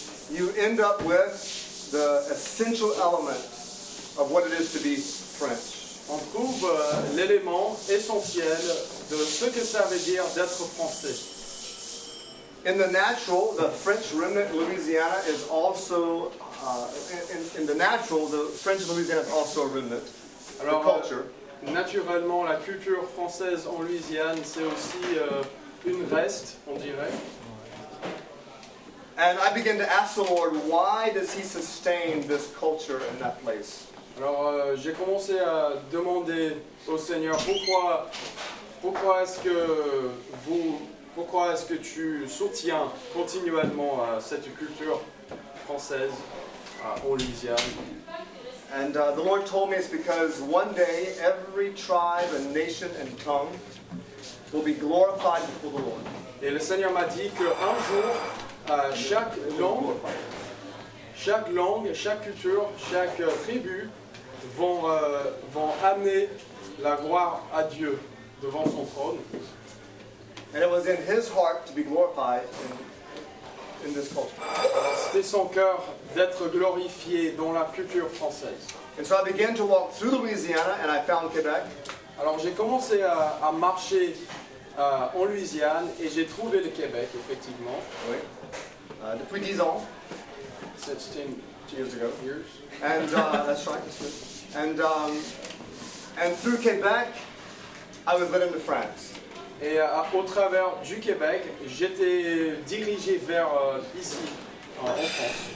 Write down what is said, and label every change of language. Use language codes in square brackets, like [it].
[en] you end up with the essential element of what it is to be French. [fr] On trouve l'élément essentiel de ce que ça veut dire d'être français. [en] In the natural, the French remnant Louisiana is also in the natural, the French Louisiana is also a remnant. [fr] Alors, [en] the culture. [fr] Naturellement, la culture française en Louisiane, c'est aussi une reste, on dirait. [en] And I begin to ask the Lord, why does He sustain this culture in that place? [fr] Alors, j'ai commencé à demander au Seigneur pourquoi est-ce que tu soutiens continuellement cette culture française en Louisiane. [en] And the Lord told me it's because one day every tribe and nation and tongue will be glorified before the Lord. [fr] Et le Seigneur m'a dit que un jour chaque langue, chaque culture, chaque tribu vont amener la gloire à Dieu devant son trône. [en] And it was in His heart to be glorified in this culture. [fr] C'était son cœur d'être glorifié dans la culture française. [en] And so I began to walk through Louisiana and I found Quebec. [fr] Alors j'ai commencé à marcher en Louisiane et j'ai trouvé le Québec, effectivement. Oui. Depuis 10 ans. [en] 16 years ago. Years. And that's right. That's good. And through Quebec, I was led into France. [fr] Et au travers du Québec, j'étais dirigé vers ici, en France.